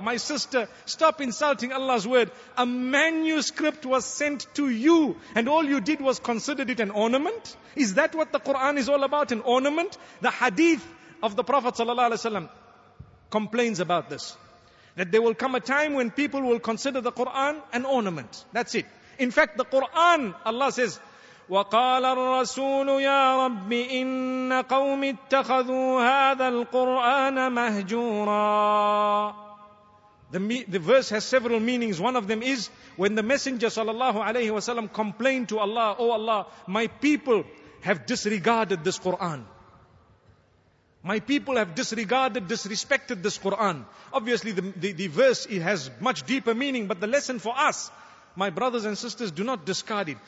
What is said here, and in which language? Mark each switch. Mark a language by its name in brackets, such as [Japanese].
[English] My sister, stop insulting Allah's word. A manuscript was sent to you and all you did was considered it an ornament? Is that what the Quran is all about, an ornament? The hadith of the Prophet sallallahu alaihi wasallam complains about this, that there will come a time when people will consider the Quran an ornament. That's it. In fact, the Quran, Allah says, [Arabic] وَقَالَ الرَّسُولُ يَا رَبِّ إِنَّ قَوْمِ اتَّخَذُوا هَذَا الْقُرْآنَ مَهْجُورًا. [English] The verse has several meanings. One of them is when the Messenger sallallahu alaihi wasallam complained to Allah, oh Allah, my people have disregarded this Quran. My people have disregarded, disrespected this Quran. Obviously, the verse, it has much deeper meaning, but the lesson for us, my brothers and sisters, do not discard it.